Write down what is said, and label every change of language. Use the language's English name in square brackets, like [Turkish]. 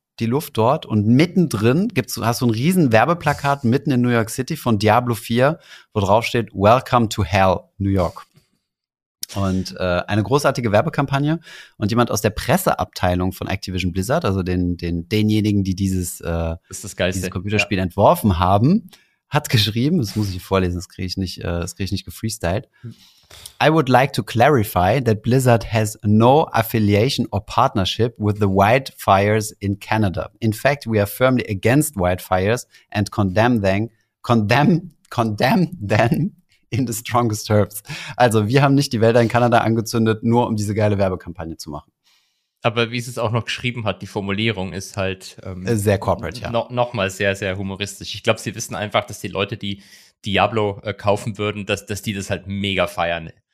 [German] Die Luft dort und mittendrin hast du ein riesen Werbeplakat mitten in New York City von Diablo 4, wo drauf steht [English] Welcome to Hell, New York. [German] Und eine großartige Werbekampagne und jemand aus der Presseabteilung von Activision Blizzard, also denjenigen, die dieses Computerspiel entworfen haben, hat geschrieben, das muss ich vorlesen, das kriege ich nicht gefreestyled. [English] I would like to clarify that Blizzard has no affiliation or partnership with the wildfires in Canada. In fact, we are firmly against wildfires and condemn them in the strongest terms. [German] Also, wir haben nicht die Wälder in Kanada angezündet, nur um diese geile Werbekampagne zu machen. Aber wie es auch noch geschrieben hat, die Formulierung ist halt sehr corporate, ja. Nochmal sehr, sehr humoristisch. Ich glaube, sie wissen einfach, dass die Leute, die Diablo kaufen würden, dass die das halt mega feiern.